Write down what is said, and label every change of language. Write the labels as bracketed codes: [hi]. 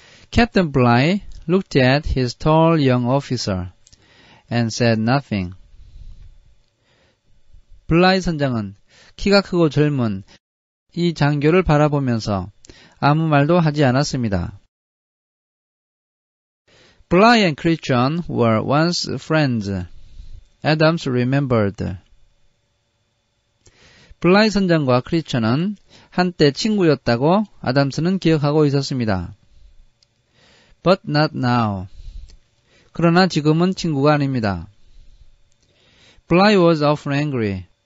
[en] Captain Bligh looked at his tall young officer and said nothing. [ko] 블라이 선장은 키가 크고 젊은 이 장교를 바라보면서 아무 말도 하지 않았습니다. [en] Bligh and Christian were once friends, Adams remembered. [ko] 블라이 선장과 크리스천은 한때 친구였다고 아담스는 기억하고 있었습니다. [en] But not now. [ko] 그러나 지금은 친구가 아닙니다. [en] Bligh was often angry.